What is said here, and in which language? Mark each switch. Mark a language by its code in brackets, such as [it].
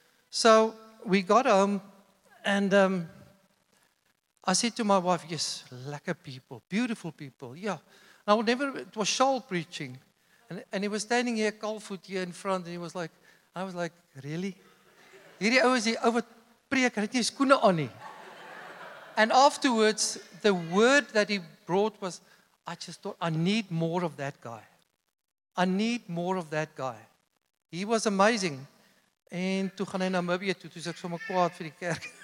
[en] So we got home, and I said to my wife, yes, lekker people, beautiful people, yeah. And I would never, it was Shaul preaching, and he was standing here, Kalfoot here in front, and he was like, I was like, really? [af] Hierdie ou is hier ou wat preek, hy het nie skoene aan nie. [en] And afterwards, the word that he brought was, I just thought, I need more of that guy. I need more of that guy. He was amazing. [af] And toe gaan hy Namibia toe, toe is ek sommer kwaad vir die kerk.